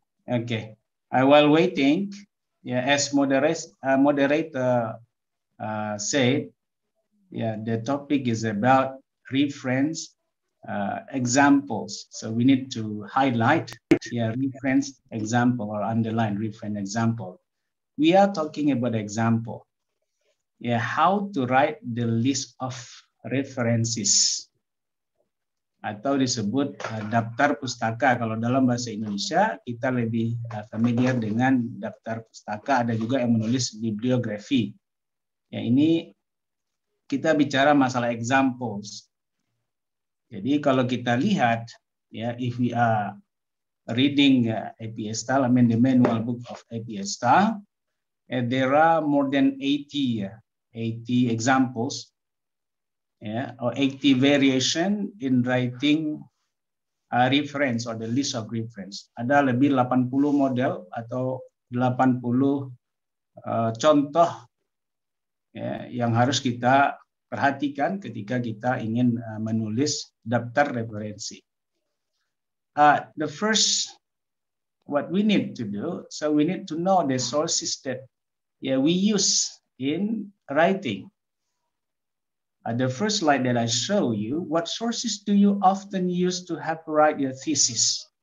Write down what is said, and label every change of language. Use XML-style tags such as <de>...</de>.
<en>Okay, while waiting, yeah, as moderator said, yeah, the topic is about reference examples. So we need to highlight reference example or underline reference example. We are talking about example. Yeah, how to write the list of references.</en> <id>Atau disebut daftar pustaka. Kalau dalam bahasa Indonesia, kita lebih familiar dengan daftar pustaka. Ada juga yang menulis bibliografi. Ya, ini kita bicara masalah examples. Jadi kalau kita lihat, ya,</id> <en>if we are reading APSTAL, I mean the manual book of APSTAL, there are more than 80 examples. Yeah, or 80 variation in writing a reference or the list of reference.</en> <id>Ada lebih 80 model atau 80 contoh yang harus kita perhatikan ketika kita ingin menulis daftar referensi.</id> <en>The first, what we need to do, so we need to know the sources that we use in writing. The first slide that I show you, what sources do you often use to help write your thesis?</en>